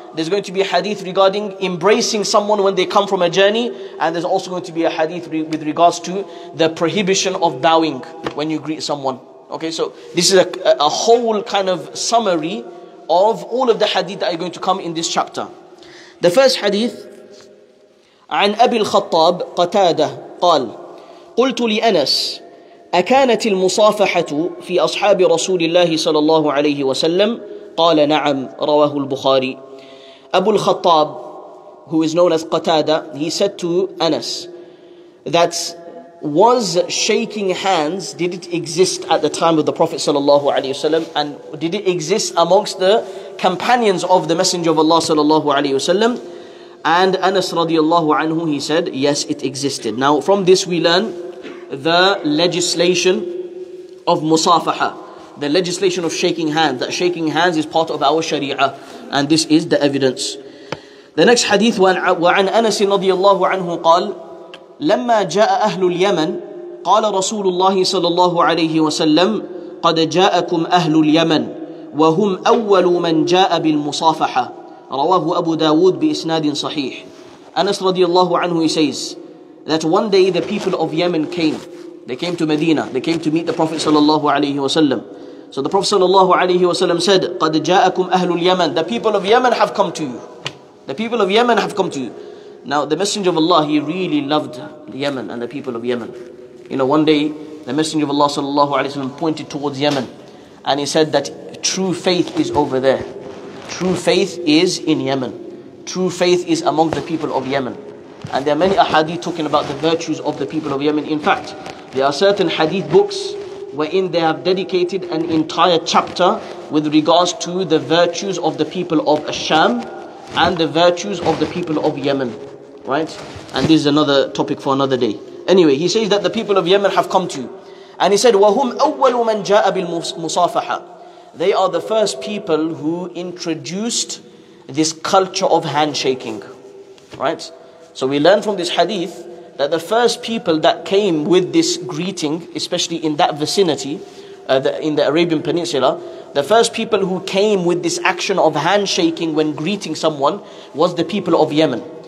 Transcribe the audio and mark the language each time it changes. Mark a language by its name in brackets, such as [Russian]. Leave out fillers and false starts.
[English] There's going to be a hadith regarding embracing someone when they come from a journey. And there's also going to be a hadith with regards to the prohibition of bowing when you greet someone. Okay, so this is a whole kind of summary of all of the hadith that are going to come in this chapter. The first hadith, [Arabic] عن أبي الخطاب قتادة قال قلت لأنس أكانت المصافحة في أصحاب رسول الله صلى الله عليه وسلم قال نعم رواه البخاري. [English] Abu al-Khattab, who is known as Qatada, he said to Anas that was shaking hands, did it exist at the time of the Prophet sallallahu alayhi wasallam, and did it exist amongst the companions of the Messenger of Allah sallallahu alayhi wasallam? And Anas radiallahu anhu, he said, yes, it existed. Now from this we learn the legislation of musafaha, the legislation of shaking hands, that shaking hands is part of our sharia. And this is the evidence. The next hadith, [Arabic] وعن أنس رضي الله عنه قال لما جاء أهل اليمن قال رسول الله صلى الله عليه وسلم قد جاءكم أهل اليمن وهم أول من جاء بالمصافحة رواه أبو داود بإسناد صحيح. [English] أنس رضي الله عنه, he says that one day the people of Yemen came. They came to Medina. They came to meet the Prophet صلى الله عليه وسلم. So the Prophet sallallahu alayhi wa sallam said, [Arabic] قَدْ جَاءَكُمْ أَهْلُ الْيَمَنِ, [English] the people of Yemen have come to you. The people of Yemen have come to you. Now the Messenger of Allah, he really loved Yemen and the people of Yemen. You know, one day the Messenger of Allah sallallahu alayhi wa sallam pointed towards Yemen and he said that True faith is over there. True faith is in Yemen. True faith is among the people of Yemen. And there are many ahadith talking about the virtues of the people of Yemen. In fact, there are certain hadith books wherein they have dedicated an entire chapter with regards to the virtues of the people of Asham and the virtues of the people of Yemen. Right? And this is another topic for another day. Anyway, he says that the people of Yemen have come to you. And he said, [Arabic] وَهُمْ أَوَّلُ مَنْ جَاءَ بِالْمُصَافَحَةِ. [English] They are the first people who introduced this culture of handshaking. Right? So we learn from this hadith that the first people that came with this greeting, especially in that vicinity, in the Arabian Peninsula, the first people who came with this action of handshaking when greeting someone was the people of Yemen.